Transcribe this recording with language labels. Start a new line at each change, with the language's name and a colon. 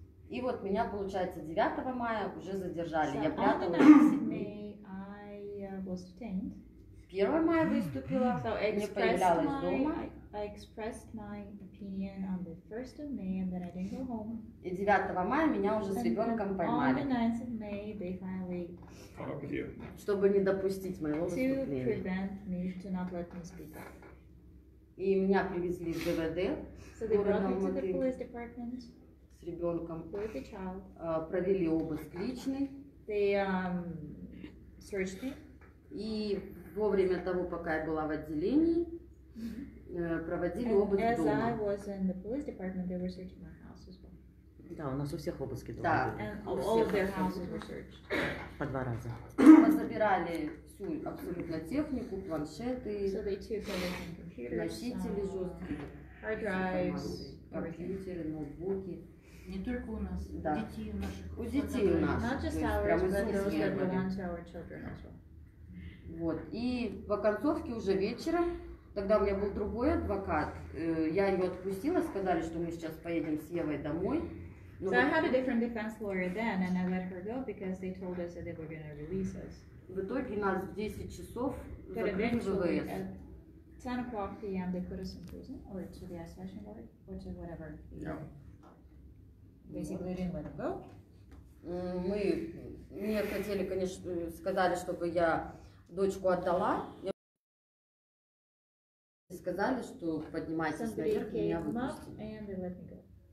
Russian: И вот меня, получается, 9 мая уже задержали. Я пряталась. 1 мая выступила, не появлялась дома.
English: I expressed my opinion on the 1st of May and then I didn't go home.
Russian: И 9 мая меня уже с ребенком поймали.
English: On the 9th of May they finally caught me.
Russian: Чтобы не допустить моего выступления.
English: To prevent me to not let me speak.
Russian: И меня привезли в ГВД.
English: So they brought me to the police department.
Russian: С ребенком.
English: With the child.
Russian: Провели обыск личный.
English: They searched me.
Russian: И вовремя того, пока я была в отделении. Проводили обыск дома.
English: As I was in the my house as well.
Russian: Да, у нас у всех обыски дома. Да,
English: all of their houses were searched.
Russian: По два раза. Мы забирали всю абсолютно технику, планшеты,
English: so they took computers,
Russian: носители жесткие,
English: hard drives,
Russian: компьютеры, ноутбуки. Не только у нас, да. Детей у наших. У детей у нас.
English: Not just ours, but those that belong to our children as well.
Russian: Вот, и в оконцовке уже вечером. Тогда у меня был другой адвокат, я ее отпустила, сказали, что мы сейчас поедем с Евой домой. Но
English: so I had a different defense lawyer then, and I let her go, because they told us that they were going to release us. В итоге нас в 10 часов закрыли в ВВС. But eventually, at 10 o'clock p.m. they put us in prison, or to the isolation ward, or to whatever. Yeah. Basically, they didn't let her go.
Russian: Мы не хотели, конечно, сказали, чтобы я дочку отдала. Сказали, что поднимайтесь наверх, меня выпустили.